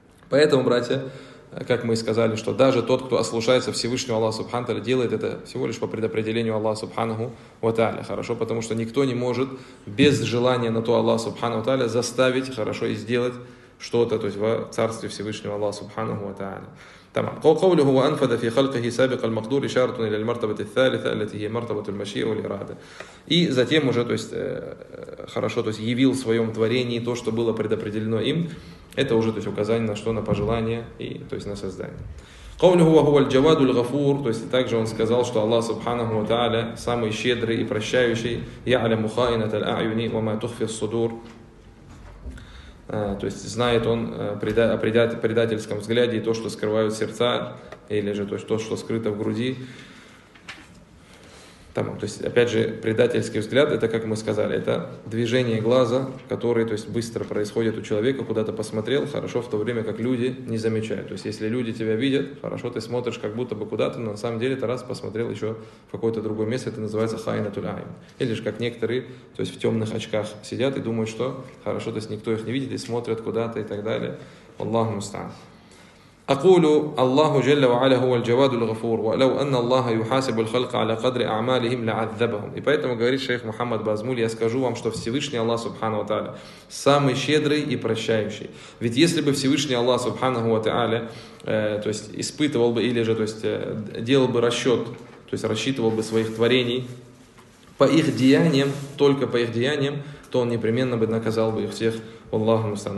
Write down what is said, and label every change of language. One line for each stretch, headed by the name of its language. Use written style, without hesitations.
Russian: Поэтому, братья, как мы и сказали, что даже тот, кто ослушается Всевышнего Аллаха Субхану Тааля, делает это всего лишь по предопределению Аллаха Субханаху Ва Тааля. Хорошо, потому что никто не может без желания на то Аллаха Субханаху Ва Тааля заставить хорошо и сделать что-то, то есть в царстве Всевышнего Аллаха Субханаху Ва Тааля.
Arabic: قوله وأنفذ في خلقه سابق المقدور إشارة إلى المرتبة الثالثة التي هي مرتبة المشيئة والإرادة.
Russian: И затем уже, то есть хорошо, то есть явил в своем творении то, что было предопределено им. Это уже, то есть указание на что, на пожелание и, то есть на создание.
Arabic: قوله وهو الجواد الغفور.
Russian: То есть также он сказал, что Аллах
Arabic: سبحانه وتعالى
Russian: самый щедрый и прощающий.
Arabic: يعلم خائنة الأعين وما تخفي الصدور.
Russian: То есть знает он о предательском взгляде и то, что скрывают сердца, или же то, что скрыто в груди. Там, то есть, опять же, предательский взгляд, это, как мы сказали, это движение глаза, которое, то есть, быстро происходит у человека, куда-то посмотрел, хорошо, в то время как люди не замечают. То есть, если люди тебя видят, хорошо, ты смотришь как будто бы куда-то, но на самом деле ты раз посмотрел еще в какое-то другое место, это называется хайнатуль айн. Или же как некоторые, то есть, в темных очках сидят и думают, что хорошо, то есть, никто их не видит и смотрят куда-то и так далее.
Arabic: Аллаху мустан. أقول الله جل وعلا هو الجواد الغفور ولو أن الله يحاسب الخلق على قدر أعمالهم لعذبهم.
Russian: И поэтому говорит шейх Мухаммад Базмуль, я скажу вам, что Всевышний Аллах Субхану Тааля самый щедрый и прощающий. Ведь если бы Всевышний Аллах Субхану Тааля, то есть испытывал бы или же, то есть делал бы расчет, то есть рассчитывал бы своих творений по их деяниям, только по их деяниям, то он непременно бы наказал бы их всех.
Arabic: Аллаху мустан.